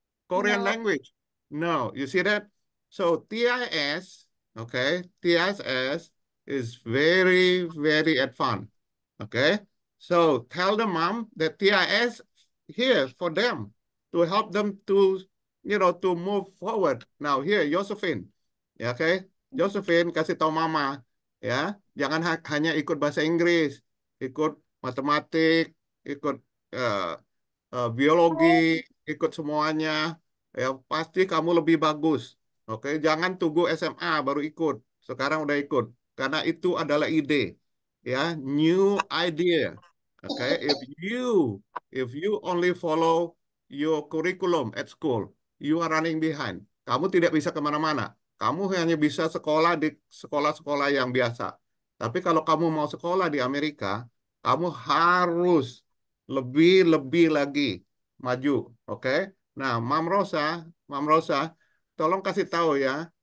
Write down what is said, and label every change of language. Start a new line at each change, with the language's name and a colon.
English: Korean language? No, you see that? So TIS, okay, TSS is very, very advanced, okay? So tell the mom that TIS here for them to help them to, you know, to move forward. Now here, Josephine, yeah, okay? Josephine,
Indonesian: kasih tau mama, ya.
English: Yeah?
Indonesian: Jangan hanya ikut bahasa Inggris, ikut matematik, ikut biologi, ikut semuanya. Ya, pasti kamu lebih bagus, oke? Okay? Jangan tunggu SMA baru ikut. Sekarang udah ikut. Karena itu adalah ide, ya.
English: Yeah? New idea. Okay, if you only follow your curriculum at school, you are running behind.
Indonesian: Kamu tidak bisa kemana-mana. Kamu hanya bisa sekolah di sekolah-sekolah yang biasa. Tapi kalau kamu mau sekolah di Amerika, kamu harus lebih-lebih lagi maju. Okay? Nah, Mam Rosa, tolong kasih tahu ya.